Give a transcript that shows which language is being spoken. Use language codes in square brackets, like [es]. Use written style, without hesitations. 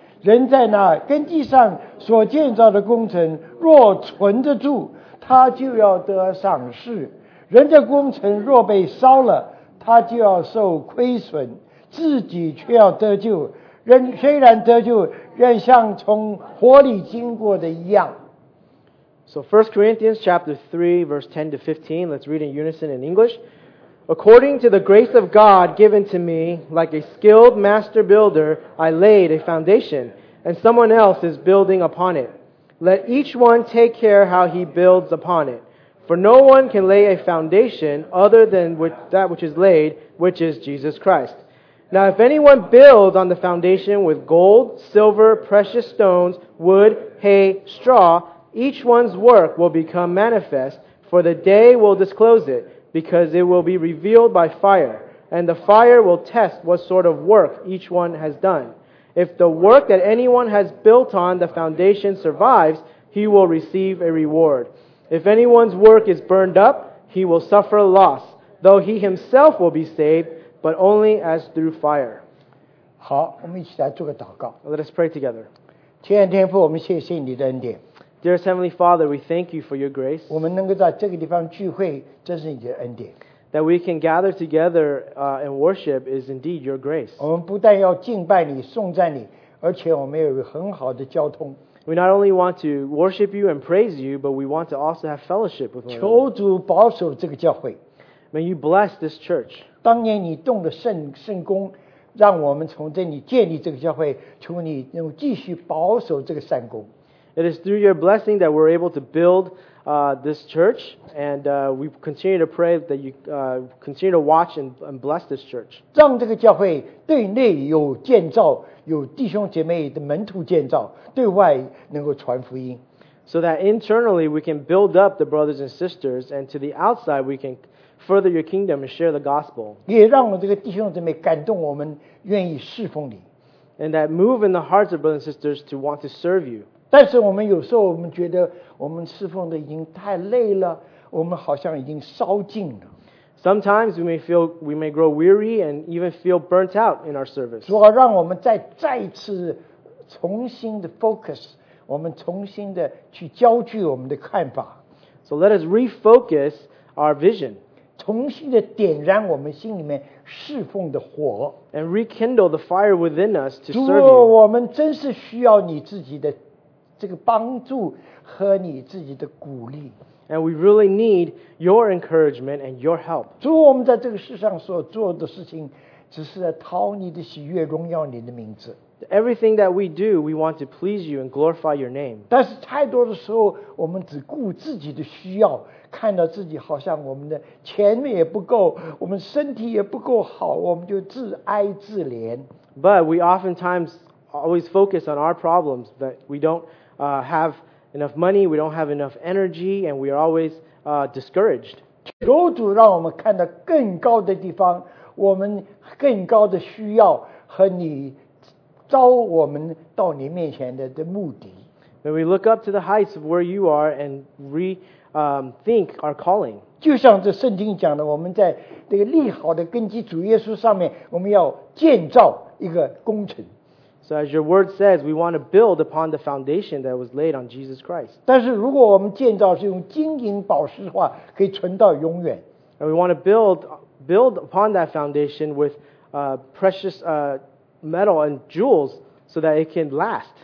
[zh] 人在那根基上所建造的工程若存得住，他就要得赏赐。人的工程若被烧了，他就要受亏损，自己却要得救。人虽然得救，仍像从火里经过的一样。 [en] So 1 Corinthians chapter 3, verse 10 to 15, let's read in unison in English. According to the grace of God given to me, like a skilled master builder, I laid a foundation, and someone else is building upon it. Let each one take care how he builds upon it. For no one can lay a foundation other than that which is laid, which is Jesus Christ. Now if anyone builds on the foundation with gold, silver, precious stones, wood, hay, straw, each one's work will become manifest, for the day will disclose it, because it will be revealed by fire, and the fire will test what sort of work each one has done. If the work that anyone has built on the foundation survives, he will receive a reward. If anyone's work is burned up, he will suffer loss, though he himself will be saved, but only as through fire. [zh] 好，我们一起来做个祷告。 [en] Let us pray together. [zh] 亲爱的天父，我们谢谢你的恩典。 [en] Dearest Heavenly Father, we thank you for your grace. [zh] 我们能够在这个地方聚会，这是你的恩典。 [en] That we can gather together and worship is indeed your grace. [zh] 我们不但要敬拜你、颂赞你，而且我们有很好的交通。 [en] We not only want to worship you and praise you, but we want to also have fellowship with one another. [zh] 求主保守这个教会。 [en] May you bless this church. [zh] 当年你动的圣功，让我们从这里建立这个教会，求你能继续保守这个善功。 [en] It is through your blessing that we're able to build this church, and we continue to pray that you continue to watch and bless this church. [zh] 让这个教会对内有建造，有弟兄姐妹的门徒建造，对外能够传福音。 [en] So that internally we can build up the brothers and sisters, and to the outside we can further your kingdom and share the gospel. [zh] 也让我这个弟兄姐妹感动我们，愿意侍奉你。 [en] And that move in the hearts of brothers and sisters to want to serve you. [zh] 但是我们有时候我们觉得我们侍奉的已经太累了，我们好像已经烧尽了。 [en] Sometimes we may grow weary and even feel burnt out in our service. [zh] 主啊，让我们再次重新的 focus， 我们重新的去焦聚我们的看法。 [en] So let us refocus our vision. [zh] 重新的点燃我们心里面侍奉的火。 [en] And rekindle the fire within us to serve you. [zh] 主啊，我们真是需要你自己的。这个帮助和你自己的鼓励。 [en] And we really need your encouragement and your help. [zh] 主，我们在这个世上所做的事情，只是在讨你的喜悦，荣耀你的名字。 [en] Everything that we do, we want to please you and glorify your name. [zh] 但是太多的时候，我们只顾自己的需要，看到自己好像我们的钱也不够，我们身体也不够好，我们就自哀自怜。 [en] But we oftentimes always focus on our problems, that we don't have enough money, we don't have enough energy, and we are always discouraged. [zh] 求主让我们看到更高的地方，我们更高的需要和你召我们到你面前的目的。 [en] May we look up to the heights of where you are and rethink our calling. [zh] 就像这圣经讲的，我们在这个立好的根基主耶稣上面，我们要建造一个工程。 [en] So as your word says, we want to build upon the foundation that was laid on Jesus Christ. [zh] 但是如果我们建造是用金银宝石的话，可以存到永远。 [en] And we want to build upon that foundation with precious metal and jewels so that it can last.